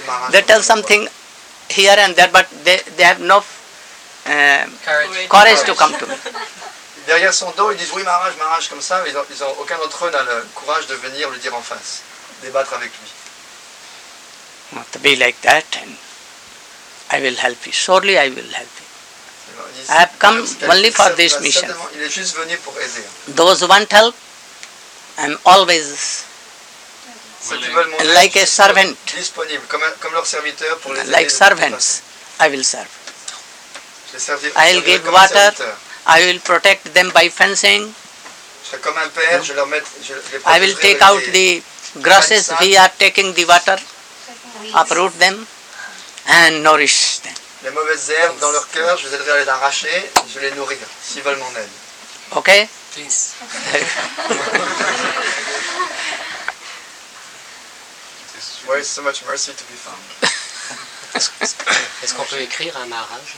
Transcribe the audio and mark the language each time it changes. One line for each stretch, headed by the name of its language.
English: They tell something here and there, but they have no courage to come to me.
French: Derrière son dos, ils disent oui, Maharaj, Maharaj, comme ça, mais ils ont aucun d'entre eux n'a le courage de venir lui dire en face, débattre avec lui.
English: Not to be like that, and I will help you. Surely I will help you. I have come only for this mission.
French: Il est juste venu pour aider.
English: Those who want help, I'm always like a servant.
French: Disponible, comme leur serviteur pour les
English: like servants, I will serve. I'll give water. I will protect them by fencing. I will take out the grasses. We are taking the water, uproot them, and nourish them.
French: Les mauvaises herbes dans leur cœur, je les aiderai à les arracher, je vais les nourrir, s'ils veulent mon aide.
English: Ok? Please. Why is so much mercy to be found?
French: Est-ce qu'on peut écrire un Maharaj?